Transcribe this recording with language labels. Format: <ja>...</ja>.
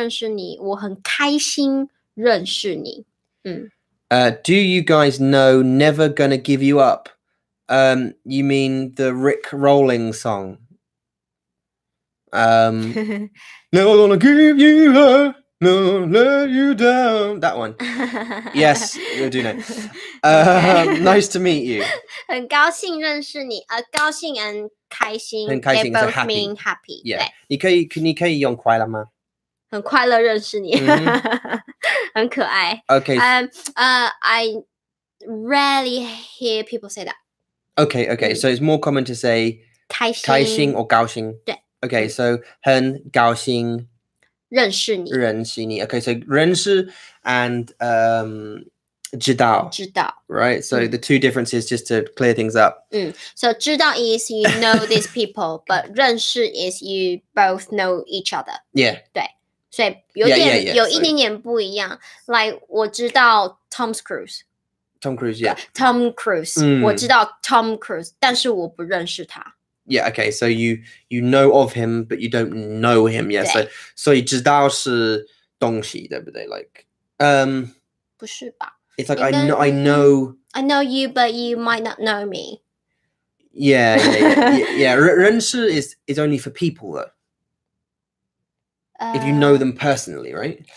<zh>很高兴认识你。我很开心认识你。</zh> <en>Do you guys know Never Gonna Give You Up? You mean the Rick Rolling song? Never gonna give you up, no, let you down. That one. Yes, you do know. nice to meet you.</en> <zh>很高兴认识你.高兴 and 开心. 很开心,</zh> <en>they both so happy. Mean happy.</en> <zh>Yeah. 你可以用快乐吗? 很快乐认识你.很可爱.</zh> <en>Okay. I rarely hear people say that. Okay, okay. So it's more common to say</en> <zh>开心</zh> <en>or 高兴.Okay, so</en> <zh>很高兴认识你.</zh> <en>Okay, so 认识 and 知道. Right, so the two differences, just to clear things up. So 知道 is you know these people, but 认识 is you both know each other. Yeah.</en> <zh>对,所以有一点点不一样. Like 我知道 Tom's Cruise.</zh> <en>Tom Cruise, yeah. Tom Cruise.</en> <zh>我知道 Tom Cruise, 但是我不认识他.</zh> <en>Yeah, okay, so you know of him, but you don't know him.</en> <zh>Yeah, so 知道是东西, 对不对?</zh> <en>Like,</en> <zh>不是吧?</zh> <en>It's like, I know... I know you, but you might not know me. Yeah. 认识 is only for people, though. If you know them personally, right?</en>